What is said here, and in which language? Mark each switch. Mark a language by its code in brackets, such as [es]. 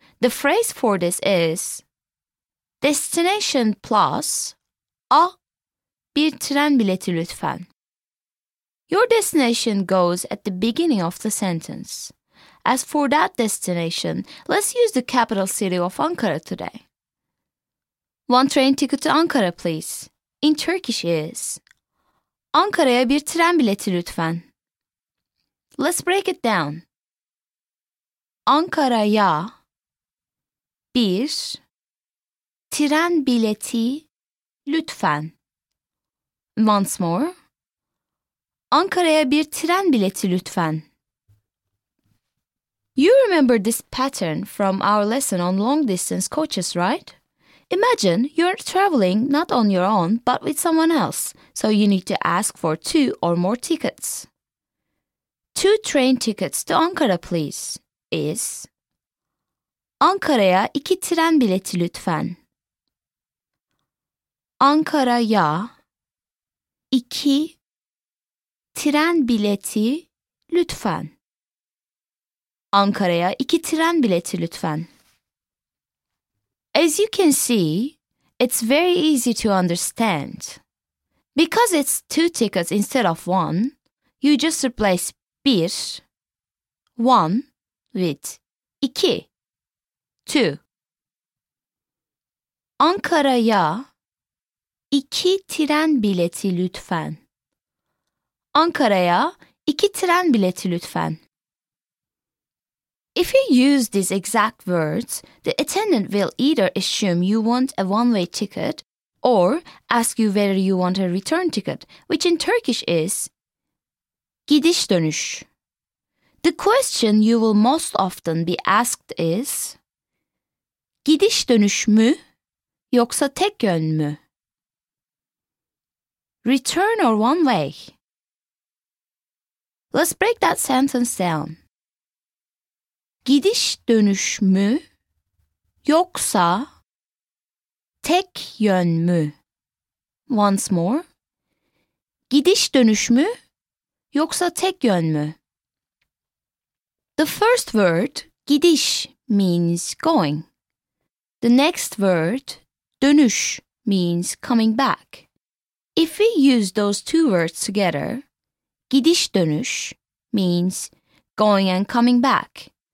[en] The phrase for this is destination plus a [tr] bir tren bileti lütfen. [en] Your destination goes at the beginning of the sentence. As for that destination, let's use the capital city of Ankara today. One train ticket to Ankara, please. In Turkish is [tr] Ankara'ya bir tren bileti lütfen. [en] Let's break it down. [tr] Ankara'ya bir tren bileti lütfen. [en] Once more. [tr] Ankara'ya bir tren bileti lütfen. [en] You remember this pattern from our lesson on long-distance coaches, right? Imagine you're traveling not on your own, but with someone else, so you need to ask for two or more tickets. Two train tickets to Ankara, please, is [tr] Ankara'ya iki tren bileti lütfen. Ankara'ya iki tren bileti lütfen. Ankara'ya iki tren bileti lütfen. [en] As you can see, it's very easy to understand. Because it's two tickets instead of one, you just replace bir, one, with iki, two. [tr] Ankara'ya iki tren bileti lütfen. Ankara'ya iki tren bileti lütfen. [en] If you use these exact words, the attendant will either assume you want a one-way ticket or ask you whether you want a return ticket, which in Turkish is gidiş dönüş. The question you will most often be asked is [tr] gidiş dönüş mü yoksa tek yön mü? [en] Return or one-way? Let's break that sentence down. [tr] Gidiş dönüş mü yoksa tek yön mü? [en] Once more. [tr] Gidiş dönüş mü yoksa tek yön mü? [en] The first word, gidiş, means going. The next word, dönüş, means coming back. If we use those two words together, gidiş dönüş means going and coming back.